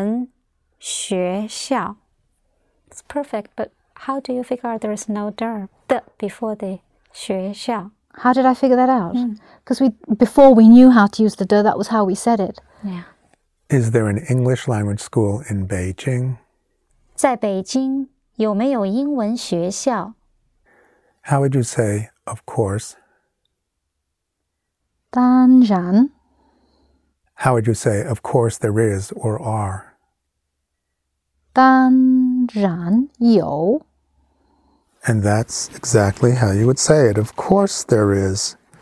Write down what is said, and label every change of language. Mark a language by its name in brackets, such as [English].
[Chinese] 在北京有没有英文学校? [English] It's perfect, but how do you figure out there is no the before the 学校? How did I figure that out? Because before we knew how to use the that was how we said it. Yeah. Is there an English language school in Beijing? [Chinese] 在北京有没有英文学校? [English] How would you say, of course? [Chinese] 当然. [English] How would you say, of course there is or are? [Chinese] 当然有. [English] And that's exactly how you would say it. Of course there is.